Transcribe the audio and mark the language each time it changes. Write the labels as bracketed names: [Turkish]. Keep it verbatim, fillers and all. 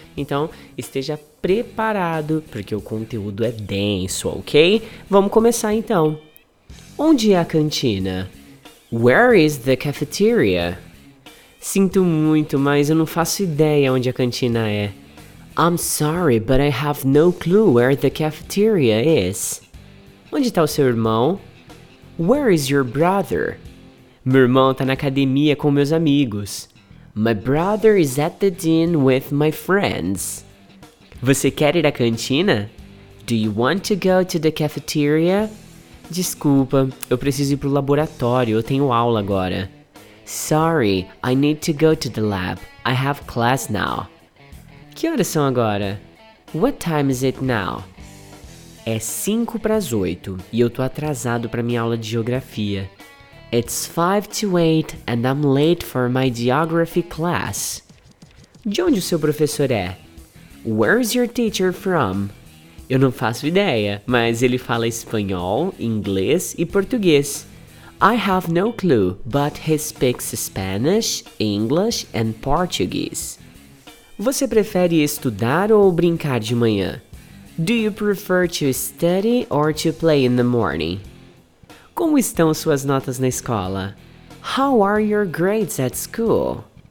[Portuguese] Então, esteja preparado, porque o conteúdo é denso, ok? Vamos começar então. Onde é a cantina? [English] Where is the cafeteria? [Portuguese] Sinto muito, mas eu não faço ideia onde a cantina é. [English] I'm sorry, but I have no clue where the cafeteria is. [Portuguese] Onde está o seu irmão? [English] Where is your brother? [Portuguese] Meu irmão tá na academia com meus amigos. [English] My brother is at the gym with my friends. [Portuguese] Você quer ir à cantina? [English] Do you want to go to the cafeteria? [Portuguese] Desculpa, eu preciso ir pro laboratório, eu tenho aula agora. [English] Sorry, I need to go to the lab. I have class now. [Portuguese] Que horas são agora? [English] What time is it now? [Portuguese] É cinco para as oito e eu tô atrasado pra minha aula de geografia. [English] It's five to eight and I'm late for my geography class. [Portuguese] De onde o seu professor é? [English] Where's your teacher from? [Portuguese] Eu não faço ideia, mas ele fala espanhol, inglês e português. [English] I have no clue, but he speaks Spanish, English and Portuguese. [Portuguese] Você prefere estudar ou brincar de manhã? [English] Do you prefer to study or to play in the morning? [Portuguese] Como estão suas notas na escola? [English] How are your grades at school?